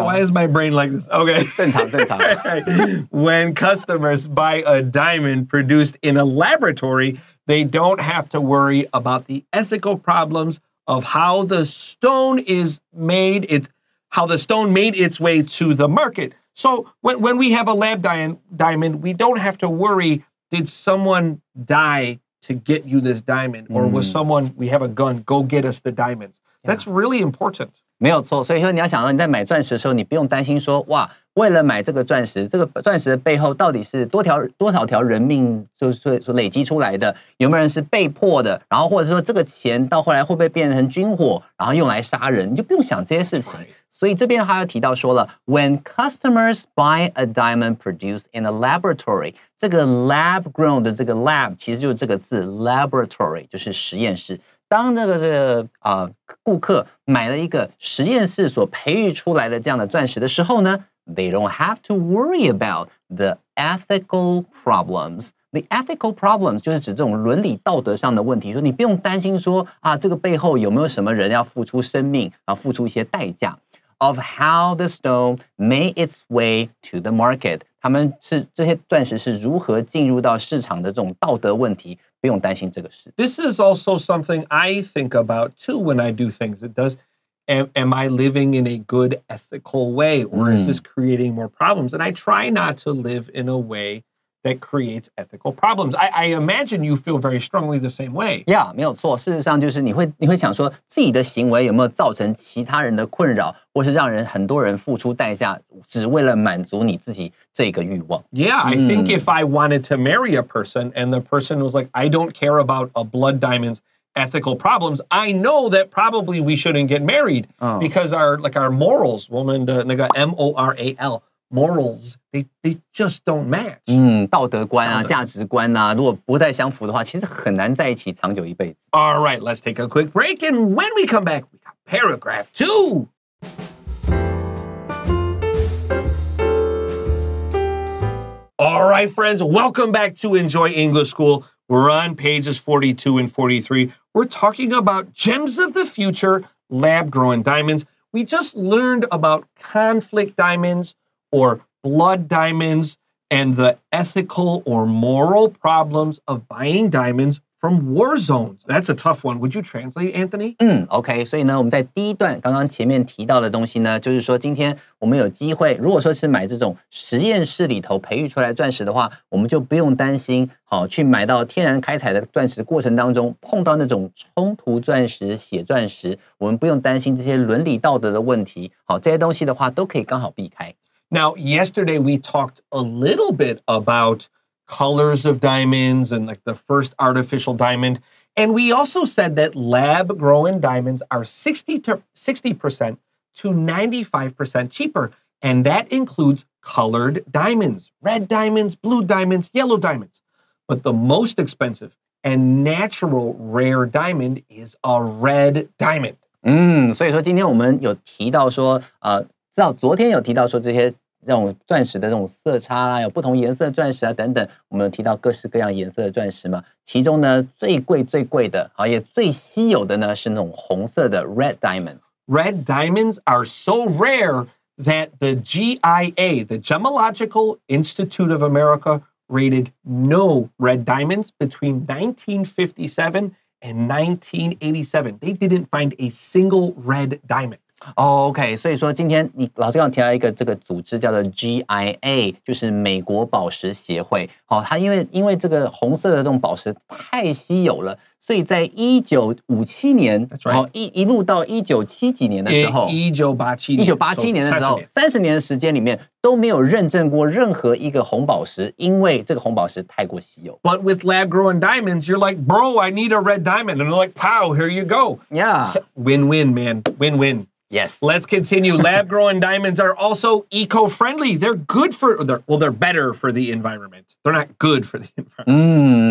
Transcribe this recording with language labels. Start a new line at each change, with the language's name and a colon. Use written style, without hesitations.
English: Why is my brain like this? Okay.
Chinese: 正常正常。
English: When customers buy a diamond produced in a laboratory, they don't have to worry about the ethical problems of how the stone is made, how the stone made its way to the market. So when we have a lab diamond, we don't have to worry, did someone die to get you this diamond? Or was someone, we have a gun, go get us the diamonds. That's really important.
Chinese: 没有错，所以说你要想到你在买钻石的时候，你不用担心说，哇，为了买这个钻石，这个钻石的背后到底是多少条人命就累积出来的，有没有人是被迫的，然后或者说这个钱到后来会不会变成军火，然后用来杀人，你就不用想这些事情。所以这边他又提到说了 ，
English: When customers buy a diamond produced in a laboratory，
Chinese: 这个 lab grown 的这个 lab 其实就是这个字 laboratory， 就是实验室。当这个顾客买了一个实验室所培育出来的这样的钻石的时候呢 ，
English: they don't have to worry about the ethical problems。 The ethical problems
Chinese: 就是指这种伦理道德上的问题，说你不用担心说啊，这个背后有没有什么人要付出生命啊，付出一些代价。
English: Of how the stone made its way to the market，
Chinese: 他们是这些钻石是如何进入到市场的这种道德问题，不用担心这个事。
English: This is also something I think about too when I do things. It does. Am I living in a good ethical way, or is this creating more problems? And I try not to live in a way that creates ethical problems. I imagine you feel very strongly the same way. Yeah,
Chinese: 没有错。事实上，就是你会想说自己的行为有没有造成其他人的困扰。或是让人很多人付出代价只为了满足你自己这个欲望。
English: Yeah, I think if I wanted to marry a person and the person was like, I don't care about a blood diamond's ethical problems, I know that probably we shouldn't get married because our morals,
Chinese: 我们的那个
English: M-O-R-A-L, morals, they just don't match.
Chinese: 道德观啊，价值观啊，如果不太相符的话，其实很难在一起长久一辈子。
English: All right, let's take a quick break. And when we come back, we got paragraph two. All right, friends, welcome back to Enjoy English School. We're on pages 42 and 43. We're talking about gems of the future, lab-grown diamonds. We just learned about conflict diamonds or blood diamonds and the ethical or moral problems of buying diamonds from war zones. That's a tough one. Would you translate, Anthony?
Chinese: Okay, 所以呢，我们在第一段刚刚前面提到的东西呢，就是说今天我们有机会，如果说是买这种实验室里头培育出来钻石的话，我们就不用担心，好，去买到天然开采的钻石过程当中碰到那种冲突钻石、血钻石，我们不用担心这些伦理道德的问题，好，这些东西的话都可以刚好避开。
English: Now, yesterday we talked a little bit about colors of diamonds and like the first artificial diamond. And we also said that lab-grown diamonds are 60% to 95% cheaper. And that includes colored diamonds, red diamonds, blue diamonds, yellow diamonds. But the most expensive and natural rare diamond is a red diamond.
Chinese: 所以说今天我们有提到说至少昨天有提到说这些这种钻石的这种色差啊，有不同颜色的钻石啊等等，我们有提到各式各样颜色的钻石嘛。其中呢，最贵最贵的啊，也最稀有的呢，是那种红色的 red diamonds。
English: Red diamonds are so rare that the GIA, the Gemological Institute of America, rated no red diamonds between 1957 and 1987. They didn't find a single red diamond.
Chinese: OK, 所以说今天你老师刚刚提到一个这个组织叫做 GIA, 就是美国宝石协会。好，它因为这个红色的这种宝石太稀有了，所以在1957年、
English: right.
Chinese: 一路到1970几年的时候 ,1987年的时候 ,30 年的时间里面都没有认证过任何一个红宝石，因为这个红宝石太过稀有。
English: But with lab-grown diamonds, you're like, bro, I need a red diamond. And they're like, pow, here you go. Yeah. Win-win, man. Win-win. Yes. Let's continue. Lab-grown diamonds are also eco-friendly. They're good for, they're better for the environment. They're not good for the environment.